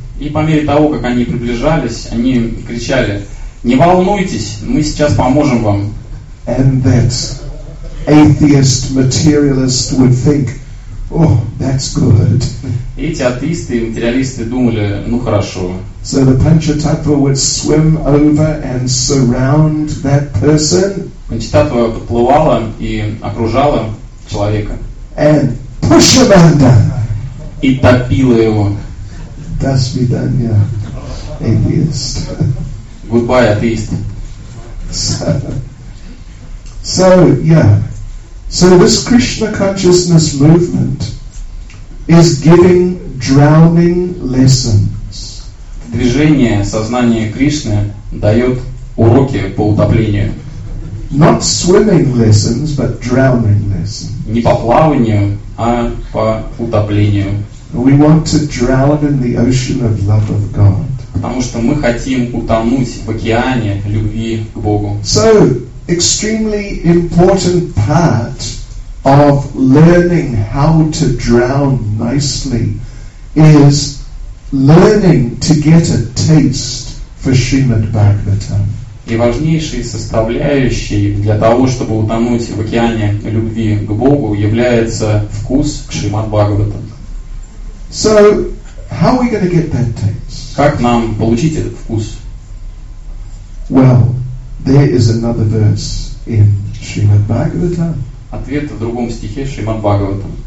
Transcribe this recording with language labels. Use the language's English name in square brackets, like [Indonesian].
[Russian] И по мере того, как они приближались, они кричали, не волнуйтесь, мы сейчас поможем вам. [English] And that atheist materialist would think, oh, that's good. [Russian] Эти атеисты и материалисты думали, ну хорошо. [English] So the Panchatattva would swim over and surround that person. [Russian] Панчататва подплывала и окружала человека. [English] And push him under. [Russian] И топила его. До свидания, атеист. [English] Goodbye, атеист. So this Krishna consciousness movement is giving drowning lessons. [Russian] Движение сознания Кришны дает уроки по утоплению. [English] Not swimming lessons, but drowning lessons. [Russian] Не по плаванию, а по утоплению. [English] We want to drown in the ocean of love of God. [Russian] Потому что мы хотим утонуть в океане любви к Богу. [English] So, extremely important part of learning how to drown nicely is learning to get a taste for Srimad Bhagavatam. [Russian] И важнейшей составляющей для того, чтобы утонуть в океане любви к Богу, является вкус к Шримад Бхагаватам. [English] So, how are we going to get that taste? [Russian] Как нам получить этот вкус? [English] Well, there is another verse in Shrimad Bhagavatam. [Russian] Ответ в другом стихе Шримад Бхагаватам.